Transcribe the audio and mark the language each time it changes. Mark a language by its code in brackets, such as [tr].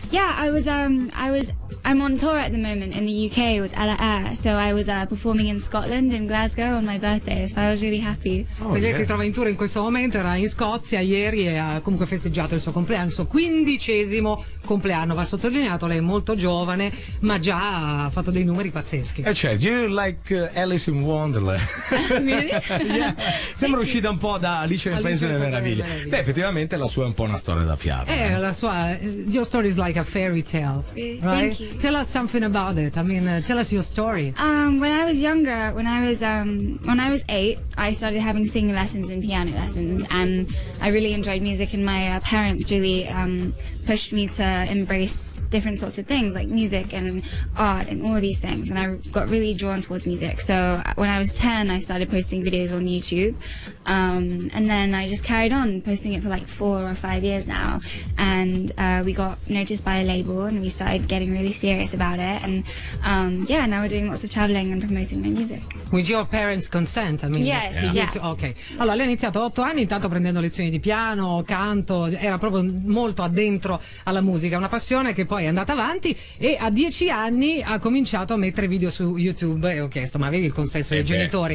[en] Yeah, I'm on tour at the moment in the UK with Ella Eyre, so I was performing in Scotland, in Glasgow, on my birthday, so I was really happy. [it] Oh, lei si trova in tour in questo momento, era in Scozia ieri e ha comunque festeggiato il suo compleanno, il suo 15° compleanno. Va sottolineato, lei è molto giovane, ma già ha fatto dei numeri pazzeschi. [en] Do you like Alice in Wonderland? Yeah. [it] Sembra uscita un po' da Alice nel Paese delle Meraviglie. Beh, effettivamente la sua è un po' una storia da fiaba. [en] La sua, your story is like a fairy tale, right? Tell us something about it. I mean, tell us your story. When I was younger, when I was 8, I started having singing lessons and piano lessons, and I really enjoyed music, and my parents really pushed me to embrace different sorts of things like music and art and all of these things, and I got really drawn towards music. So when I was 10, I started posting videos on YouTube, and then I just carried on posting it for like 4 or 5 years now, and we got noticed by a label and we started getting really serious about it, and now we're doing lots of traveling and promoting my music with your parents' consent. [it] Allora lei ha iniziato 8 anni intanto prendendo lezioni di piano, canto, era proprio molto addentro alla musica, una passione che poi è andata avanti, e a 10 anni ha cominciato a mettere video su YouTube e ho chiesto, ma avevi il consenso dei genitori?